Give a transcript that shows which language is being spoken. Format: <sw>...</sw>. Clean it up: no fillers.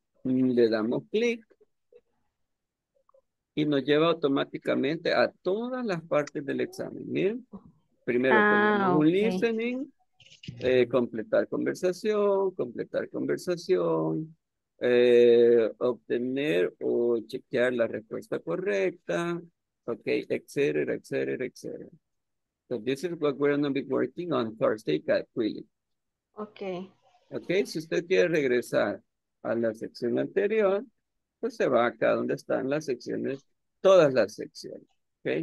<es>Le damos clic y nos lleva automáticamente a todas las partes del examen. Miren, primero tenemos un listening, completar conversación. Obtener o chequear la respuesta correcta, okay, etcétera.</es> <en>So this is what we're going to be working on Thursday, Quilly. Okay.</en> <es>Okay, si usted quiere regresar a la sección anterior, pues se va acá donde están las secciones, todas las secciones, okay?</es>